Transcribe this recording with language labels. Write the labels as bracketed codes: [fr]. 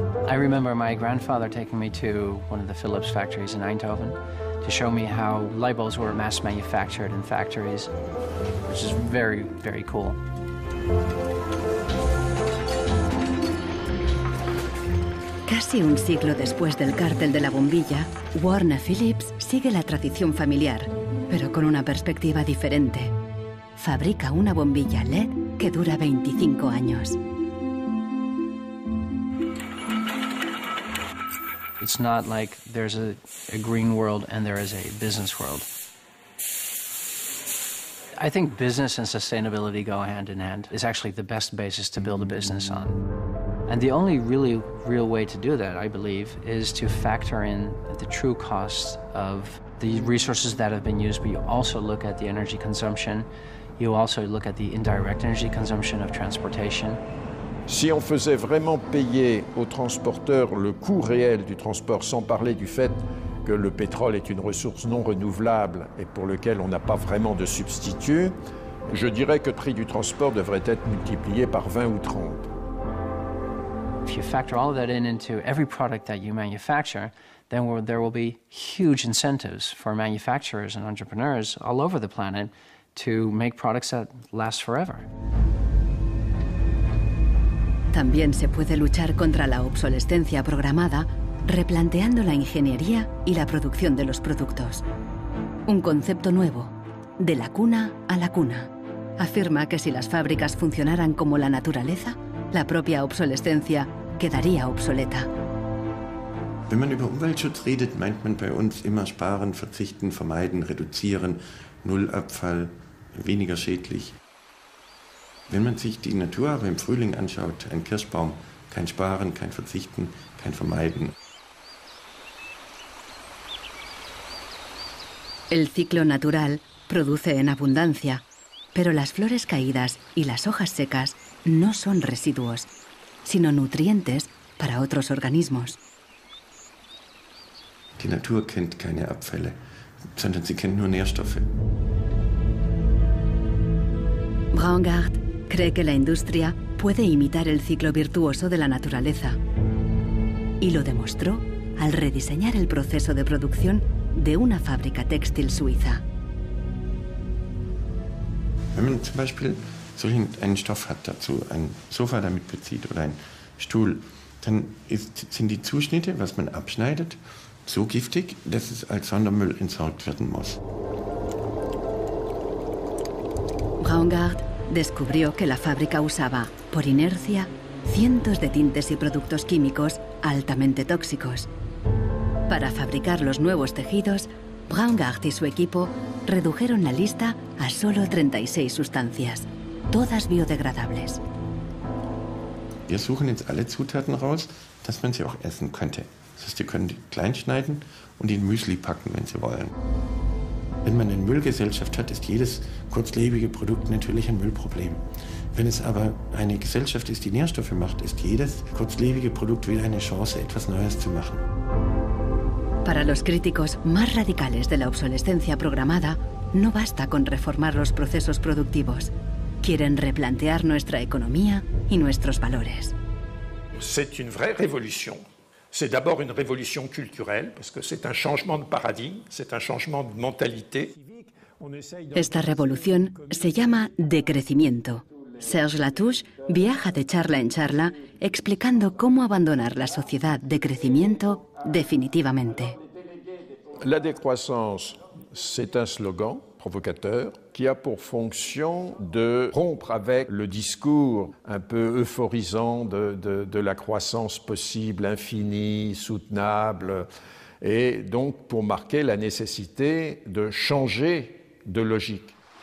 [en] I remember my grandfather taking me to one of the Phillips factories in Eindhoven to show me how light bulbs were mass manufactured in factories, which is very, very cool. [es] Casi un siglo después del cártel de la bombilla, Warner Phillips sigue la tradición familiar, pero con una perspectiva diferente. Fabrica una bombilla LED que dura 25 años. [en] It's not like there's a green world and there is a business world. I think business and sustainability go hand in hand. It's actually the best basis to build a business on. And the only really real way to do that, I believe, is to factor in the true cost of the resources that have been used, but you also look at the energy consumption. You also look at the indirect energy consumption of transportation. [fr] Si on faisait vraiment payer aux transporteurs le coût réel du transport, sans parler du fait que le pétrole est une ressource non renouvelable et pour lequel on n'a pas vraiment de substitut, je dirais que le prix du transport devrait être multiplié par 20 ou 30. [en] If you factor all of that in into every product that you manufacture, then there will be huge incentives for manufacturers and entrepreneurs all over the planet to make products that last forever. [es] También se puede luchar contra la obsolescencia programada replanteando la ingeniería y la producción de los productos. Un concepto nuevo, de la cuna a la cuna. Afirma que si las fábricas funcionaran como la naturaleza, la propia obsolescencia quedaría obsoleta. [de] Wenn man über Umweltschutz redet, meint man bei uns immer sparen, verzichten, vermeiden, reduzieren, null Abfall, weniger schädlich. Wenn man sich die Natur aber im Frühling anschaut, ein Kirschbaum, kein Sparen, kein Verzichten, kein Vermeiden. [es] El ciclo natural produce en abundancia, pero las flores caídas y las hojas secas no son residuos, sino nutrientes para otros organismos. [de] Die Natur kennt keine Abfälle, sondern sie kennt nur Nährstoffe. [es] Braungart cree que la industria puede imitar el ciclo virtuoso de la naturaleza. Y lo demostró al rediseñar el proceso de producción de una fábrica textil suiza. [de] Wenn man zum Beispiel solchen einen Stoff hat dazu, ein Sofa damit bezieht oder ein Stuhl, dann sind die Zuschnitte, was man abschneidet, so giftig, dass es als Sondermüll entsorgt werden muss. [es] Braungart descubrió que la fábrica usaba, por inercia, cientos de tintes y productos químicos altamente tóxicos. Para fabricar los nuevos tejidos, Braungart y su equipo redujeron la lista a solo 36 sustancias, todas biodegradables. [de] Wir suchen jetzt alle Zutaten raus, dass man sie auch essen könnte. Das heißt, sie können die klein schneiden und in Müsli packen, wenn sie wollen. Wenn man eine Müllgesellschaft hat, ist jedes kurzlebige Produkt natürlich ein Müllproblem. Wenn es aber eine Gesellschaft ist, die Nährstoffe macht, ist jedes kurzlebige Produkt wieder eine Chance, etwas Neues zu machen. [es] Para los críticos más radicales de la obsolescencia programada, no basta con reformar los procesos productivos. Quieren replantear nuestra economía y nuestros valores. [fr] C'est une vraie révolution. C'est d'abord une révolution culturelle, parce que c'est un changement de paradigme, c'est un changement de mentalité. [es] Esta revolución se llama decrecimiento. Serge Latouche viaja de charla en charla explicando cómo abandonar la sociedad de crecimiento definitivamente. [fr] La décroissance, c'est un slogan provocateur qui a pour fonction de rompre avec le discours un peu euphorisant de la croissance possible, infinie, soutenable, et donc pour marquer la nécessité de changer de logique.